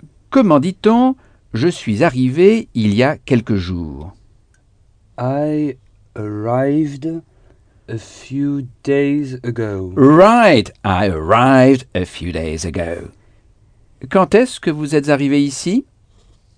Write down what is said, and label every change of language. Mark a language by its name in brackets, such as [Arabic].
[French] Comment dit-on « je suis arrivé il y a quelques jours » ? [English] I arrived a few days ago. Right, I arrived a few days ago. [French] Quand est-ce que vous êtes arrivé ici ?